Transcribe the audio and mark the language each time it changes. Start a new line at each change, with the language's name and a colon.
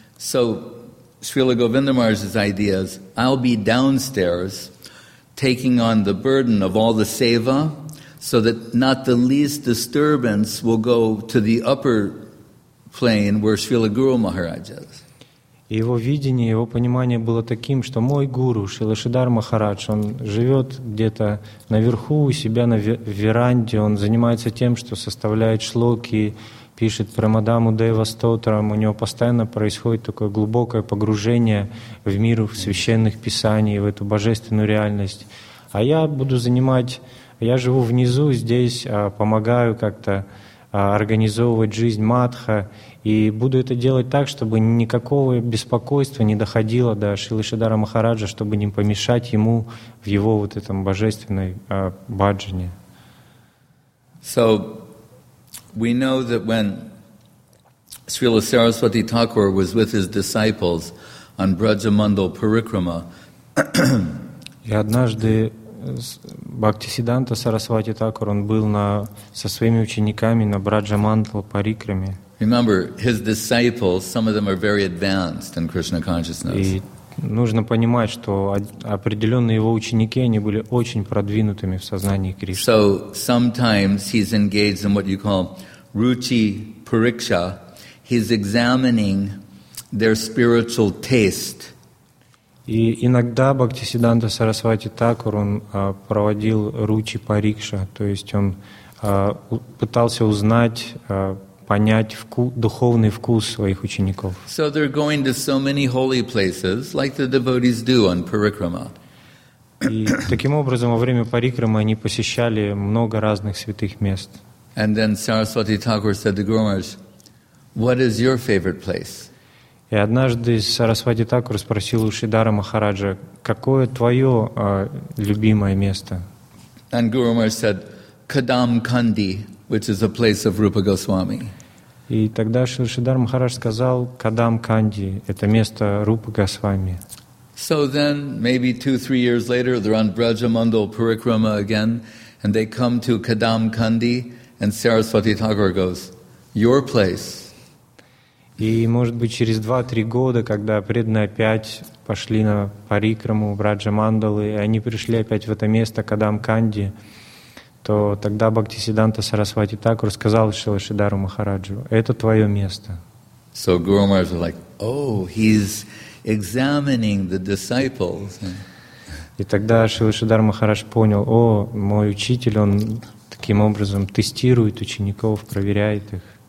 English: So Srila Govinda Maharaj's ideas, I'll be downstairs taking on the burden of all the seva, so that not the least disturbance will go to the upper plane where Srila Guru Maharaj is.
Russian: Его видение, его понимание было таким, что мой гуру, Шрила Шридхар Махарадж, он живет где-то наверху у себя на веранде, он занимается тем, что составляет шлоки, пишет Прамадаму Дева Стотрам, у него постоянно происходит такое глубокое погружение в мир в священных писаний, в эту божественную реальность. А я буду занимать, я живу внизу здесь, помогаю как-то организовывать жизнь Мадха, и буду это делать так, чтобы никакого беспокойства не доходило до Шрилы Шридхара Махараджа, чтобы не помешать ему в его вот этом божественной баджане.
English: So, we know that when Srila Saraswati Thakur was with his disciples on Brajamandal Parikrama,
Russian: и однажды Бхактисиддханта Сарасвати Такур, он был на, со своими учениками на Браджамандал Парикраме.
English: Remember, his disciples, some of them are very advanced in Krishna consciousness.
Russian: И нужно понимать, что определенные его ученики, они были очень продвинутыми в сознании Кришны.
English: So sometimes he's engaged in what you call ruchi pariksha. He's examining their spiritual taste.
Russian: И иногда Бхактисиддханта Сарасвати Такур, он проводил ручи парикша, то есть он пытался узнать, понять духовный вкус своих учеников.
English: So they're going to so many holy places, like the devotees do on parikrama.
Russian: И таким образом, во время парикрама они посещали много разных святых мест.
English: And then Saraswati Thakur said to Guru Maharaj, what is your favorite place?
Russian: И однажды Сарасвати Такур спросил у Шридхара Махараджа, какое твое любимое место?
English: And Guru Maharaj said, Kadam Kandi, which is a place of Rupa Goswami.
Russian: И тогда Шридхар Махарадж сказал, Kadam Kandi, это место Рупа Госвами.
English: So then, maybe 2-3 years later, they're on Brajamandal Parikrama again, and they come to Kadam Kandi, and Saraswati Thakur goes, your place.
Russian: И, может быть, через 2-3 года, когда преданные опять пошли на парикраму Браджамандалы, и они пришли опять в это место, Кадам Канди, то тогда Бхактисиддханта Сарасвати Такур сказал Шрила Шридхару Махараджу, это твое место.
English: So Guru Maharaj was like, oh, he's examining the disciples.
Russian: И тогда Шрила Шридхар Махарадж понял, о, мой учитель, он таким образом тестирует учеников, проверяет их.